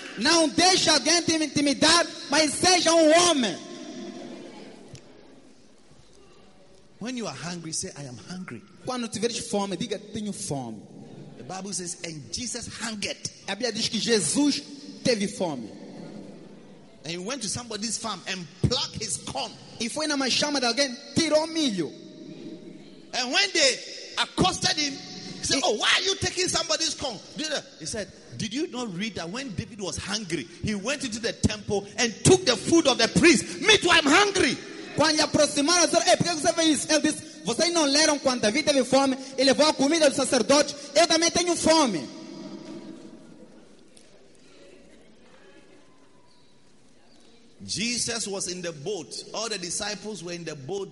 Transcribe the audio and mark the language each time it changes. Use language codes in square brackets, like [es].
[pt] Não deixe alguém te intimidar, mas seja homem. [en] When you are hungry, say I am hungry. [pt] Quando tiveres fome, diga tenho fome. [en] The Bible says, and Jesus hungered. [pt] A Bíblia diz que Jesus teve fome. [en] And he went to somebody's farm and plucked his corn. [pt] E foi numa chama de alguém, tirou milho. [en] And when they accosted him, he said, oh, why are you taking somebody's corn? He said, did you not read that when David was hungry, he went into the temple and took the food of the priest? Me too, I'm hungry. [pt] Quando aproximaram, disseram, por que você fez isso? Ele disse, vocês não leram quando David teve fome e levou a comida do sacerdote? Eu também tenho fome. [en] Jesus was in the boat. All the disciples were in the boat.